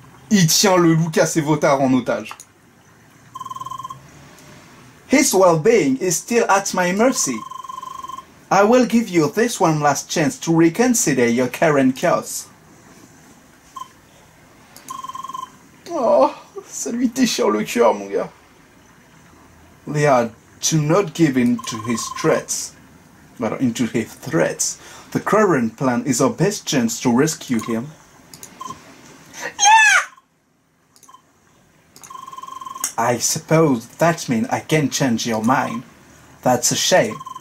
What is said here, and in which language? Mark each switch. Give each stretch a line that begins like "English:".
French: Il tient le Lucas Evotar en otage.
English: His well-being is still at my mercy. I will give you this one last chance to reconsider your current course.
French: Oh, ça lui déchire le cœur, mon gars.
English: Leah, do not give in to his threats. Well, into his threats. The current plan is our best chance to rescue him. I suppose that means I can't change your mind. That's a shame.